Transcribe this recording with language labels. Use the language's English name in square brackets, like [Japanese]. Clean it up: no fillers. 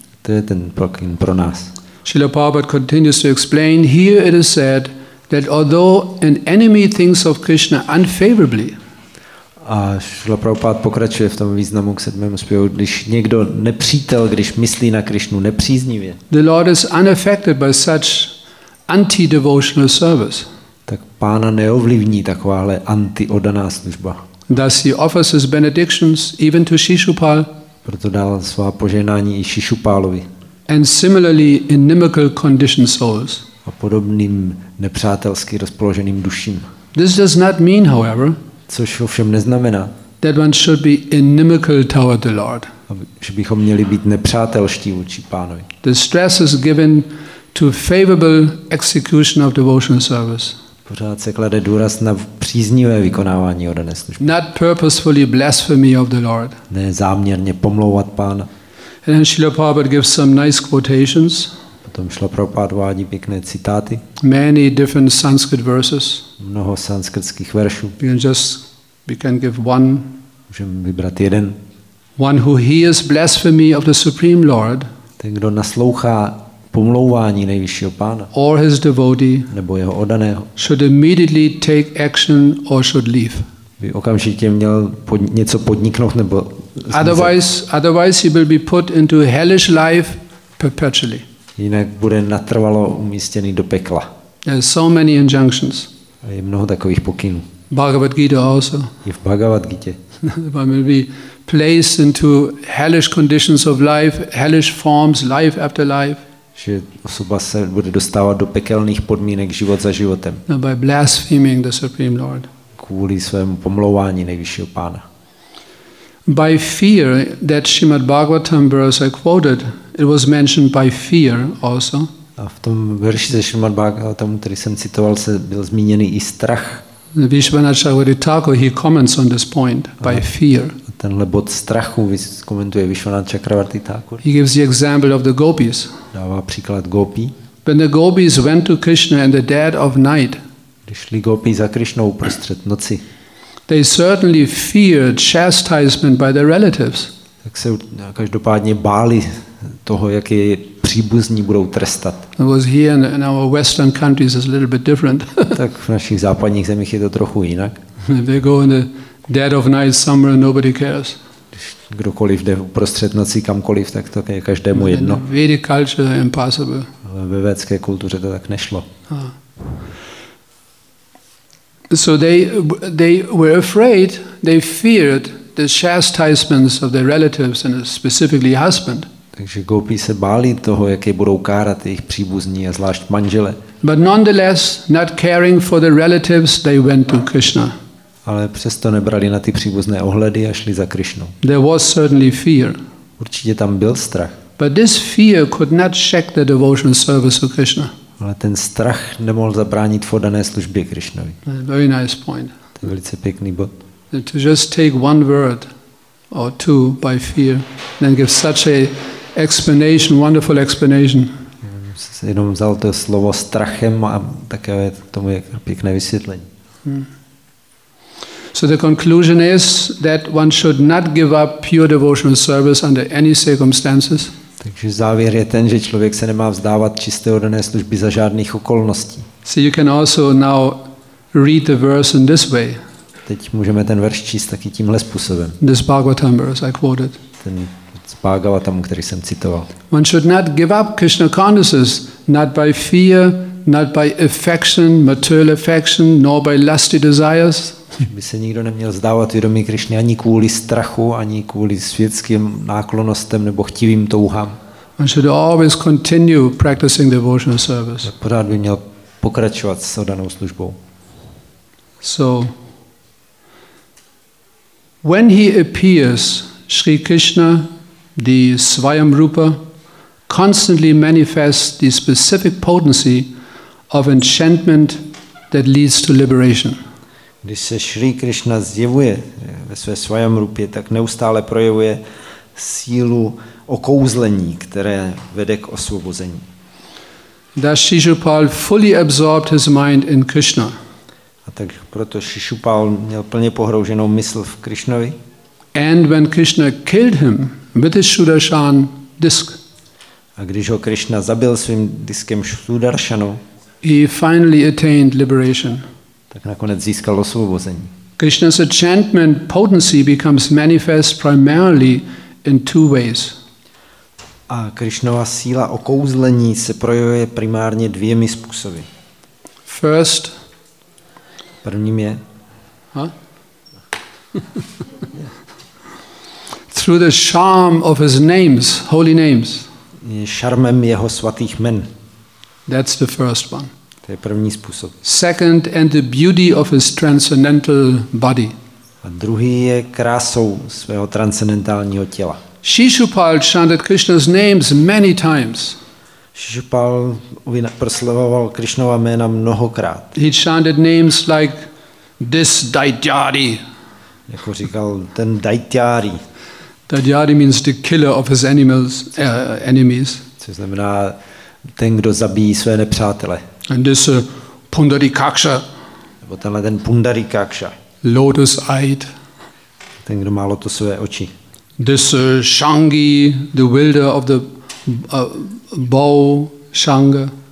[Czech] To je ten pokyn pro nás. [English] Srila Prabhupada continues to explain, here it is said that although an enemy thinks of Krishna unfavorably, [Czech] a Šrila Prabhupáda pokračuje v tom významu k sedmému zpěvu, když někdo nepřítel, když myslí na Krišnu nepříznivě. [English] The Lord is unaffected by such anti-devotional service. [Czech] Tak pána neovlivní takováhle anti-oddaná služba. [English] Thus he offers his benedictions even to Shishupal. [Czech] Proto dal svá požehnání i Shishupálovi. [English] And similarly inimical conditioned souls. [Czech] A podobným nepřátelsky rozpoloženým duším. [English] This does not mean, however, [Czech] což ovšem neznamená, [English] that one should be inimical toward the Lord. [Czech] Že bychom měli být nepřátelští vůči pánovi. [English] The stress is given to favorable execution of devotional service. [Czech] Pořád se klade důraz na příznivé vykonávání oddané služby. [English] Not purposefully blasphemy of the Lord. [Czech] Ne záměrně pomlouvat pána. [English] And then Srila Prabhupada gives some nice quotations. [Czech] Potom Srila Prabhupada uvádí pěkné citáty. [English] Many different Sanskrit verses. [Czech] Mnoho sanskrtských veršů. [English] We can give one. [Czech] Můžeme vybrat jeden. [English] One who hears blasphemy of the Supreme Lord. [Czech] Ten, kdo naslouchá pomlouvání nejvyššího pána. [English] Or his devotee. [Czech] Nebo jeho oddaného. [English] Should immediately take action or should leave. [Czech] By okamžitě měl něco podniknout nebo zmizet. [English] Otherwise he will be put into hellish life perpetually. [Czech] Jinak bude natrvalo umístěný do pekla. [English] There are so many injunctions. [Czech] A je mnoho takových pokynů. [English] Bhagavad Gita also. [Czech] Je v Bhagavad Gita. [English] One will be placed into hellish conditions of life, hellish forms, life after life. [Czech] Že osoba se bude dostávat do pekelných podmínek život za životem. [English] By blaspheming the Supreme Lord. [Czech] Kvůli svému pomlouvání nejvyššího pána. [English] By fear that Srimad Bhagavatam verse I quoted, it was mentioned by fear also. [Czech] A v tom verši ze Srimad Bhagavatam, který jsem citoval, se byl zmíněný i strach. [English] Vishvanatha Chakravarti Thakur, he comments on this point by fear. [Czech] Tenhle bod strachu komentuje Vishvanatha Chakravarti Thakur. [English] He gives the example of the gopis. [Czech] Dává příklad gopí. [English] When the gopis went to Krishna in the dead of night, [Czech] když šli gopí za Krishnou uprostřed noci, [English] they certainly feared chastisement by their relatives. [Czech] Tak se každopádně báli toho, jak je příbuzní budou trestat. [English] It was here in our western countries is a little bit different. [Czech] Tak v našich západních zemích je to trochu jinak. [English] They go in the dead of night somewhere and nobody cares. [Czech] Kdokoliv jde uprostřed noci kamkoliv, tak to je každému jedno. [English] In Vedic culture impossible. [Czech] Ale ve védské kultuře to tak nešlo. [English] So they were afraid, they feared the chastisements of their relatives and specifically husband. [Czech] Takže gopí se báli toho, jak je budou kárat jejich příbuzní a zvlášť manžele. [English] But nonetheless, not caring for the relatives, they went to Krishna. [Czech] Ale přesto nebrali na ty příbuzné ohledy a šli za Krishnou. [English] There was certainly fear. [Czech] Určitě tam byl strach. [English] But this fear could not check the devotional service of Krishna. [Czech] Ale ten strach nemohl zabránit v oddané službě Krishnovi. [English] Very nice point. [Czech] To je velice pěkný bod. [English] To just take one word or two by fear, then give such a explanation, wonderful explanation. [Czech] Jenom vzal to slovo strachem a takové tomu je pěkné vysvětlení. [English] So the conclusion is that one should not give up pure devotional service under any circumstances. [Czech] Takže závěr je ten, že člověk se nemá vzdávat čisté oddané služby za žádných okolností. [English] So you can also now read the verse in this way. [Czech] Teď můžeme ten verš číst taky tímhle způsobem. [English] This Bhagavatam verse I quoted. [Czech] Ten Bhagavatam, který jsem citoval. [English] One should not give up Krishna consciousness, not by fear, not by affection, material affection, nor by lusty desires. [Czech] By se nikdo neměl vzdávat vědomí Krišny ani kvůli strachu, ani kvůli světským náklonostem nebo chtivým touhám. [English] One should always continue practicing devotional service. [Czech] Pořád by měl pokračovat s oddanou službou. [English] So, when he appears, Sri Krishna, the Svayamrupa, constantly manifests the specific potency of enchantment that leads to liberation. [Czech] Když se Sri Krishna zjevuje ve své Svayamrupě, tak neustále projevuje sílu okouzlení, které vede k osvobození. [English] Thus Shishupal fully absorbed his mind in Krishna. [Czech] A tak proto Shishupal měl plně pohrouženou mysl v Krishnovi. [English] And when Krishna killed him with his Sudarshan disk. [Czech] A když ho Krishna zabil svým diskem Sudarshanu, [English] he finally attained liberation. [Czech] Tak nakonec získal osvobození. [English] Krishna's enchantment potency becomes manifest primarily in two ways. [Czech] A Krishnova síla okouzlení se projevuje primárně dvěmi způsoby. [English] First. [Czech] Prvním je. [English] Through the charm of his names, holy names. [Czech] Šarmem jeho svatých jmen. [English] That's the first one. [Czech] To je první způsob. [English] Second, and the beauty of his transcendental body. [Czech] A druhý je krásou svého transcendentálního těla. [English] Shishupal chanted Krishna's names many times. [Czech] Shishupal proslavoval Krishnova jména mnohokrát. [English] He chanted names like this Daityari. [Czech] Jako říkal ten Daityari. [English] Daityari means the killer of his animals, enemies. [Czech] Což znamená ten, kdo zabíjí své nepřátele. [English] And this Pundarikaksha. [Czech] Nebo tenhle ten Pundarikaksha. [English] Lotus eyed. [Czech] Ten, kdo má lotosové oči. [English] This Shangi, the wielder of the bow, Shanga.